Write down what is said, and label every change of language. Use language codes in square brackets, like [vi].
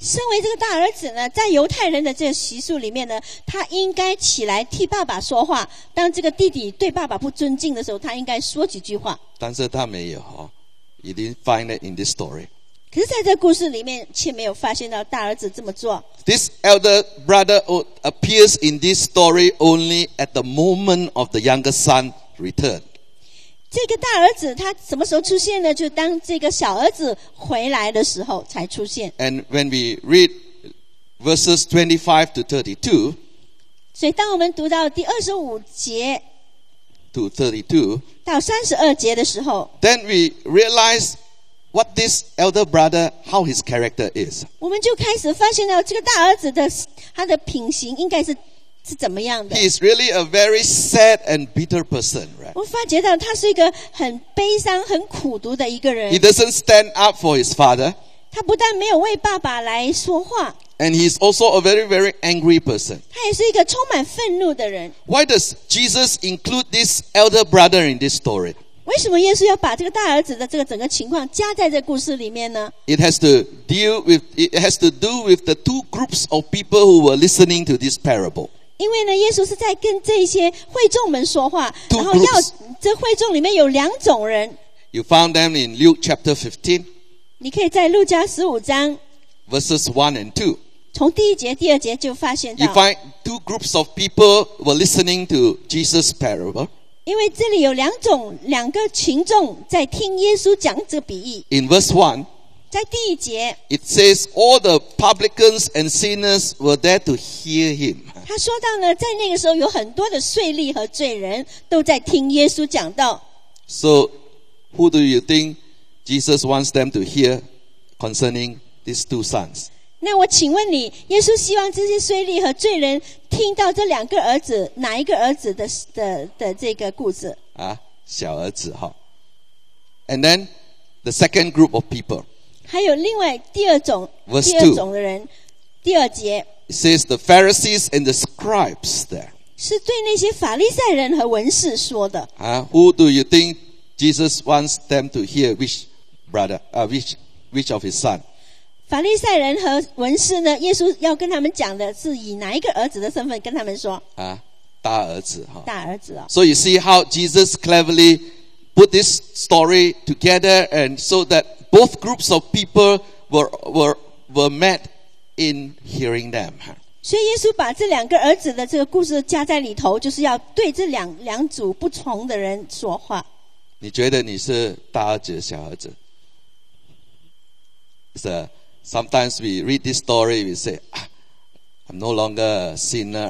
[zh] 身为这个大儿子呢，在犹太人的这个习俗里面呢，他应该起来替爸爸说话。当这个弟弟对爸爸不尊敬的时候，他应该说几句话。但是他没有哦。 [en] He didn't find it in this story. [zh] 可是在这故事里面却没有发现到大儿子这么做。 [en] This elder brother appears in this story only at the moment of the younger son return. [zh] 这个大儿子他什么时候出现呢？就当这个小儿子回来的时候才出现。 [en] And when we read verses 25 to 32, [zh] 所以当我们读到第25节 [en] to 32, [zh] 到32节的时候 [en] then we realize what this elder brother, how his character is. [zh] 我们就开始发现到这个大儿子的他的品行应该是怎么样的。 [en] He is really a very sad and bitter person. [zh] 我发觉到他是一个很悲伤、很苦读的一个人。 [en] He doesn't stand up for his father. [zh] 他不但没有为爸爸来说话。 [en] And he's also a very, very angry person. [zh] 他也是一个充满愤怒的人。 [en] Why does Jesus include this elder brother in this story? [zh] 为什么耶稣要把这个大儿子的这个整个情况加在这故事里面呢？ [en] It has to do with the two groups of people who were listening to this parable. [zh] 因为呢，耶稣是在跟这些会众们说话，然后要这会众里面有两种人。 [en] You found them in Luke chapter 15. [zh] 你可以在路加十五章 [en] verses 1 and 2. [zh] 从第一节、第二节就发现到。 [en] You find two groups of people were listening to Jesus' parable. [zh] 因为这里有两个群众在听耶稣讲这个比喻。 [en] In verse 1. [zh] 在第一节 [en] It says all the publicans and sinners were there to hear him. [zh] 他说到呢，在那个时候有很多的税吏和罪人都在听耶稣讲道。 [en] So, who do you think Jesus wants them to hear concerning these two sons? [zh] 那我请问你，耶稣希望这些税吏和罪人听到这两个儿子哪一个儿子的这个故事？啊，小儿子哈。 [en] And then the second group of people. [zh] 还有另外第二种 [en] Verse [zh] 第二种的人，第二节。 [en] It says the Pharisees and the scribes there. [zh] 是对那些法利赛人和文士说的。 [en] 啊，Who do you think Jesus wants them to hear which brother, which of his son? [zh] 法利赛人和文士呢，耶稣要跟他们讲的是以哪一个儿子的身份跟他们说？啊，大儿子哈。大儿子啊。 [en] So you see how Jesus cleverly put this story together, and so that both groups of people were met in hearing them. [zh] 所以耶稣把这两个儿子的这个故事加在里头，就是要对这两组不同的人说话。你觉得你是大儿子、小儿子 ？ [en] So sometimes we read this story, we say, "I'm no longer a sinner.